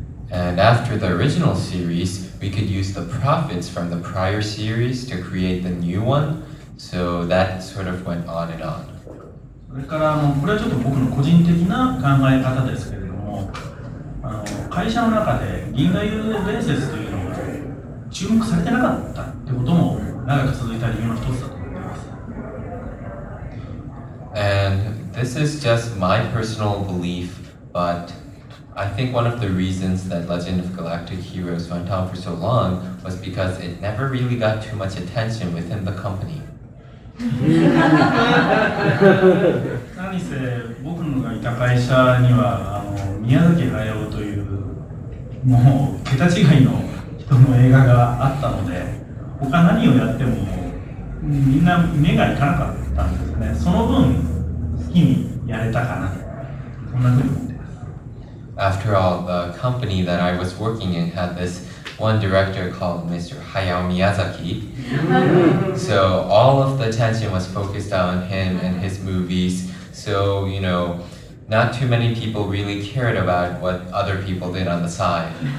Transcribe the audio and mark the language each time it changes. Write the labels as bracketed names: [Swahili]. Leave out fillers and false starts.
[English] And after the original series, we could use the profits from the prior series to create the new one. So that sort of went on and on. [Japanese] それから、これはちょっと僕の個人的な考え方ですけれども、会社の中で銀河遊戯伝説というのが注目されてなかったってことも長く続いた理由の一つだと思います。 [English] And this is just my personal belief, but I think one of the reasons that Legend of Galactic Heroes went on for so long was because it never really got too much attention within the company. [Japanese] 何せ僕のがいた会社にはあの宮崎駿というもう桁違いの人の映画があったので他何をやってもみんな目がいかなかったんですね。その分好きにやれたかなそんなふうに思ってます。 [English] After all, the company that I was working in had thisOne director called Mr. Hayao Miyazaki. So all of the attention was focused on him and his movies. So, you know, not too many people really cared about what other people did on the side.